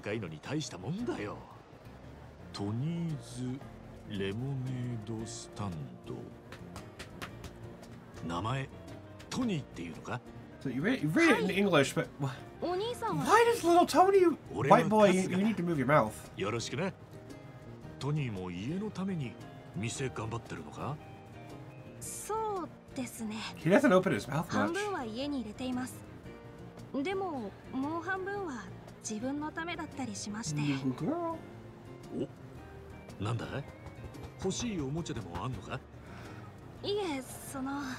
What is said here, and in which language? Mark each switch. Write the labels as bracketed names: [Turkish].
[Japanese] はい。これレモネードスタンドって言われていて、ハワイではよくある店の形なんです。子供が開いてる店も多くて、これで家の生活費を稼いでる子も多いんですよ。なるほど。そうなのか。しかし、若いのに大したもんだよ。トニーズレモネードスタンド。名前トニーっていうのか? [English] So you read it in English, but why does little Tony white boy? You need to move your mouth. [Japanese] よろしくね。トニーも家のために店頑張ってるのか。そうですね。 [English] He doesn't open his mouth much. [Japanese] 半分は家に入れています。でももう半分は自分のためだったりしまして。欲しいおもちゃでもあんのか？いえ、その。